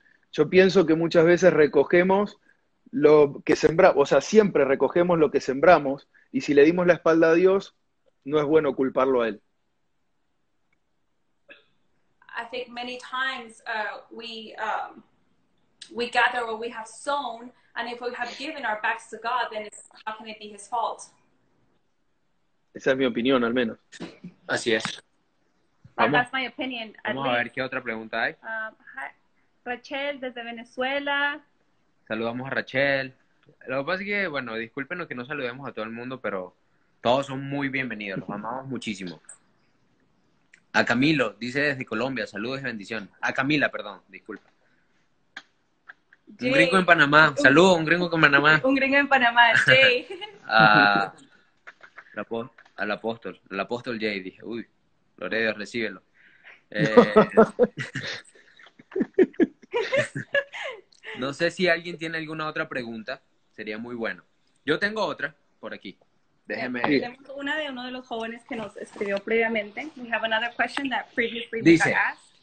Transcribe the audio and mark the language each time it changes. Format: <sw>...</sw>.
<es>Yo pienso que muchas veces recogemos lo que sembramos, o sea, siempre recogemos lo que sembramos, y si le dimos la espalda a Dios, no es bueno culparlo a Él.</es> <en>I think many times we gather what we have sown, and if we have given our backs to God, then how can it be His fault?</en> <es>Esa es mi opinión, al menos. Así es. Vamos.</es> <en>That's my opinion.</en> <es>Vamos a ver qué otra pregunta hay. Rachel, desde Venezuela. Saludamos a Rachel. Lo que pasa es que, bueno, discúlpenos que no saludemos a todo el mundo, pero Todos son muy bienvenidos, los amamos muchísimo. A Camilo, dice desde Colombia, saludos y bendición. A Camila, perdón, disculpa. Jay. Un gringo en Panamá, saludos, un gringo en Panamá. Un gringo en Panamá, Jay. Al apóstol, al apóstol Jay, dije, uy, gloria a Dios, recíbelo. No sé si alguien tiene alguna otra pregunta, sería muy bueno. Yo tengo otra por aquí. Déjeme. Tenemos una de uno de los jóvenes que nos escribió previamente.</es> <en>We have another question that previously asked.</en>